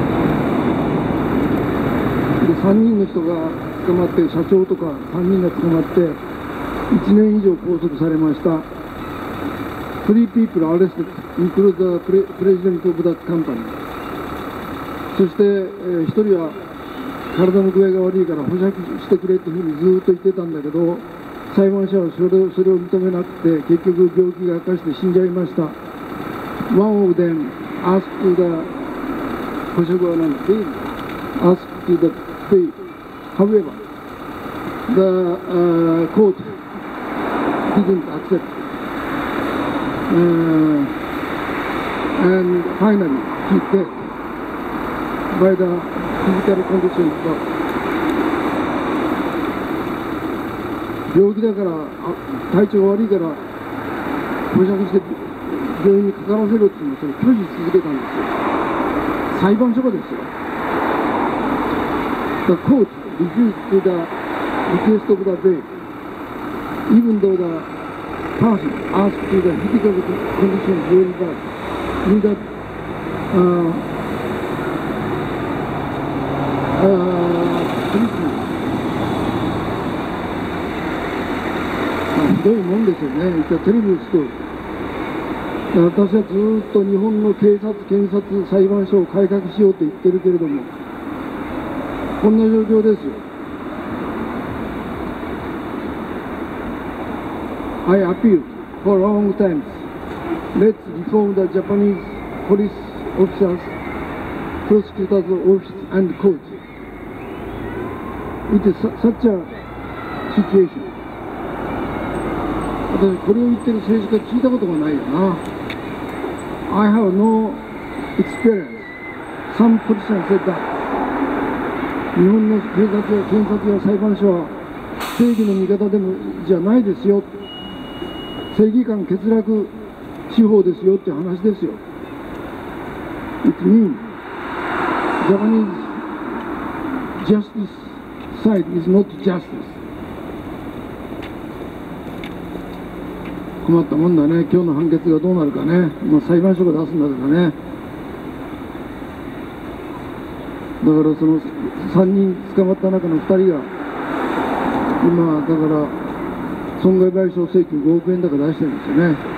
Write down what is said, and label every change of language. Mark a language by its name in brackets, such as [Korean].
[Japanese] で、3人の人が捕まって、社長とか3人が捕まって1年以上拘束されました。 [English] 3 people arrested including the president of that company。 [Japanese] そして、一人は体の具合が悪いから保釈してくれというふうにずっと言ってたんだけど、裁判所はそれを認めなくて、結局病気が悪化して死んじゃいました。 [English] One of them asked to the [Japanese] 保釈は何で [English] asked to the pay。 However the court didn't accept、and finally he dead by the physical condition。 [Japanese] 病気だから、体調悪いから保釈して病院にかからせろっていうのを拒否続けたんですよ。裁判所がですよ。 [English] The court refused to the request of the bail even though the person asked to the physical condition very bad in that [Japanese] ひどいもんですよね。テレビですと、私はずっと日本の警察、検察、裁判所を改革しようと言ってるけれども、こんな状況ですよ。 [English] I appeal for long times let's reform the Japanese police officers prosecutor's office and court it is such a situation. [Japanese] 私これを言ってる政治家聞いたことがないよな。 [English] I have no experience. Some politician said that. [Japanese] 日本の警察や検察や裁判所は正義の味方でもじゃないですよ。正義感欠落司法ですよって話ですよ。 [English] It means Japanese justice side is not justice. [Japanese] 困ったもんだね。今日の判決がどうなるかね。まあ、裁判所が出すんだからね。だからその3人捕まった中の2人が今だから損害賠償請求5億円だから出してるんですよね。